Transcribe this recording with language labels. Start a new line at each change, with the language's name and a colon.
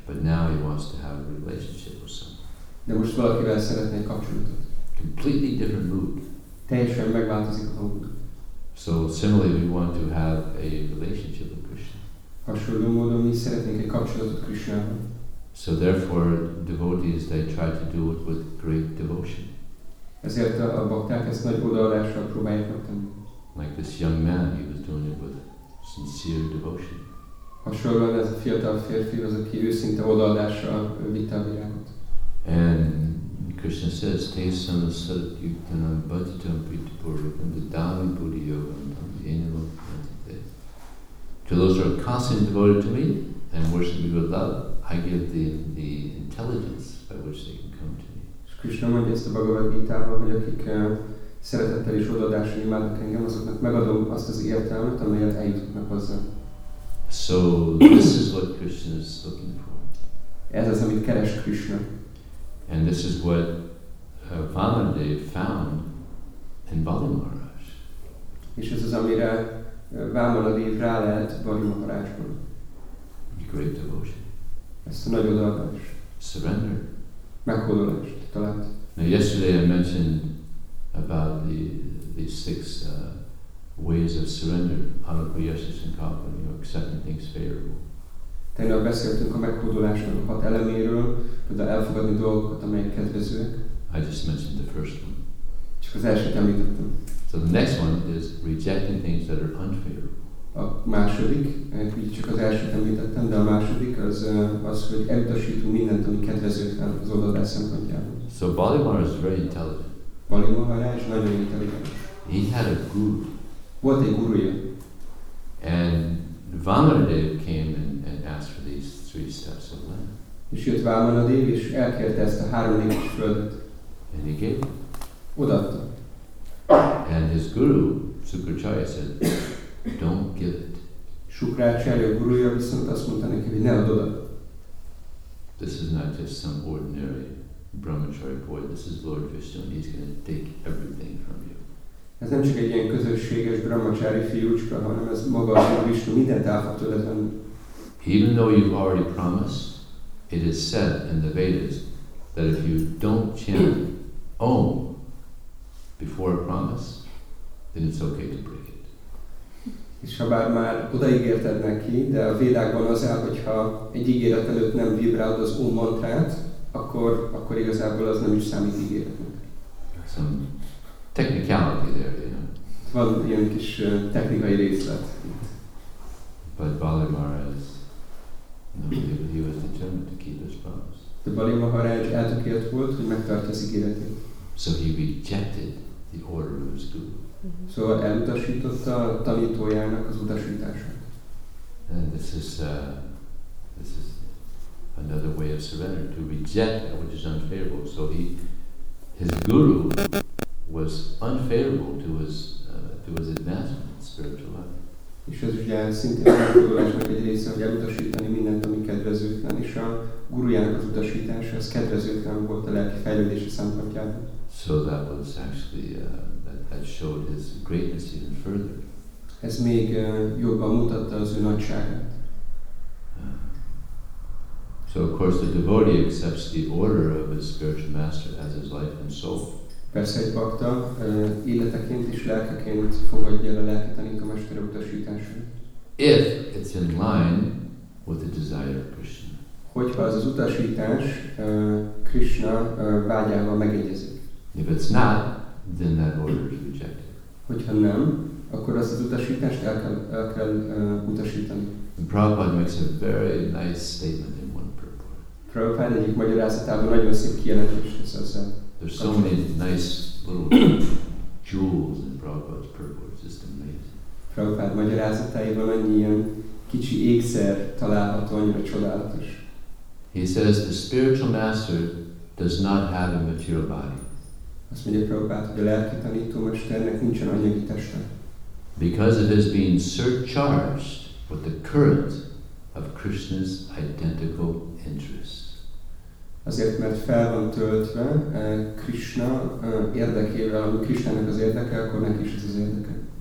English: But now he wants to have a relationship with someone.
Hungarian: De most valakivel szeretne egy kapcsolatot.
English: Completely different mood.
Hungarian: Teljesen megváltozik a hangulat.
English: So similarly, we want to have a relationship with Krishna.
Hungarian: Hasonló módon mi szeretnénk egy kapcsolatot Krishnával.
English: So therefore, devotees, they try to do it with great devotion.
Hungarian: Ezért a bakták ezt nagy odaadással próbálják megtenni.
English: Like this young man, he was doing it with sincere devotion.
Hungarian: Hasonlóan ez a fiatal férfi az, aki őszinte odaadással vitte a virágot.
English: And Krishna says,
Sanskrit: taste some of Sadyuktana Bhajitam Pritipurvakam, the Dhali Buddhi Yogam, the Enyamal Pratipay.
English: To those who are constantly devoted to me and worship me with love, I give the intelligence by which they can come to me.
Hungarian: Krishna mondja ezt a Bhagavad Gita-ban, hogy akik szeretettel és odaadással imádnak engem, azoknak megadom azt az értelmet, amelyet eljutnak hozzá.
English: So this is what Krishna is looking for.
Hungarian: Ez az, amit keres Krishna.
English: And this is what Vamadeva found in Bali Maharaj.
Hungarian: És ez az, amire Vamadeva rálelt Bali Maharajban.
English: Great devotion.
Hungarian: Ezt a nagy odaadás.
English: Surrender.
Hungarian: Meghódolás, talált.
English: Now yesterday I mentioned about the six ways of surrender. Anupayasasankalpa, you know, accepting things favorable.
Hungarian: Tegnap beszéltünk a meghódolásnak a hat eleméről, például elfogadni dolgokat, amelyek kedvezőek.
English: I just mentioned the first one.
Hungarian: Csak az elsőt említettem.
English: So the next one is rejecting things that are unfavorable.
Hungarian: A második, így csak az elsőt említettem, de a második az, az hogy elutasítunk mindent, ami kedvezőtlen az odaadás szempontjából.
English: So Bali Maharaj is very intelligent.
Hungarian: Bali Maharaj nagyon intelligens.
English: He had a guru.
Hungarian: Volt egy gurúja.
English: And Vamanadev came and asked for these three steps of land.
Hungarian: És jött Vamanadev, és elkérte ezt a három lépcsős földet.
English: And he gave it.
Hungarian: Odaadta.
English: And his guru, Sukracharya, said, don't give it.
Hungarian: Shukracharya gurúja viszont azt mondta neki, hogy ne add oda.
English: This is not just some ordinary brahmachari boy. This is Lord Vishnu, and he's going to take everything from you.
Hungarian: Ez nem csak egy ilyen közösséges brahmachari fiúcska, hanem ez maga a Lord Vishnu, mindent el fog tőled venni.
English: Even though you've already promised, it is said in the Vedas that if you don't chant Om before a promise, then it's okay to break it.
Hungarian: És ha bár már odaígérted neki, de a védákban az áll, hogyha egy ígéret előtt nem vibrálod az Om mantrát, akkor igazából az nem is számít ígéretnek.
English: Some technicality there, you know.
Hungarian: Van ilyen kis technikai részlet.
English: But Bali Maharaj, he was determined to keep his promise.
Hungarian: De Bali Maharaj eltökélt volt, hogy megtartja az ígéretét.
English: So he rejected the order of his guru.
Hungarian: Szóval elutasította a tanítójának az utasítását.
English: And this is another way of surrender, to reject that which is unfavorable. So his guru was unfavorable to his advancement in spiritual life.
Hungarian: És ez ugye szintén a tanulásnak egy része, hogy elutasítani mindent, ami kedvezőtlen, és a gurujának az utasítása, az kedvezőtlen volt a lelki fejlődése szempontjából.
English: So that was actually that showed his greatness even further.
Hungarian: Ez még jobban mutatta az ő nagyságát.
English: So of course the devotee accepts the order of his spiritual master as his life and soul.
Hungarian: Persze egy bakta életeként és lelkeként fogadja el a lelki tanító mestere utasítását.
English: If it's in line with the desire of Krishna.
Hungarian: Hogyha az az utasítás Krishna vágyával megegyezik.
English: If it's not, then that order is rejected.
Hungarian: Hogyha nem, akkor azt az utasítást el kell utasítani.
English: And Prabhupada makes a very nice statement in one purport.
Hungarian: Prabhupada egyik magyarázatában nagyon szép kijelentést tesz ezzel.
English: There's so many nice little jewels in Prabhupada's purport. It's just amazing.
Hungarian: Prabhupada magyarázatában annyi ilyen kicsi ékszer található, annyira csodálatos.
English: He says the spiritual master does not have a material body.
Hungarian: Azt mondja Prabhupád, hogy a lelki tanító mesternek nincsen anyagi teste.
English: Because it has been surcharged with the current of Krishna's identical interest.
Hungarian: Azért, mert fel van töltve Krishna érdekével, amikor Krishnának az érdeke, akkor neki is ez az érdeke.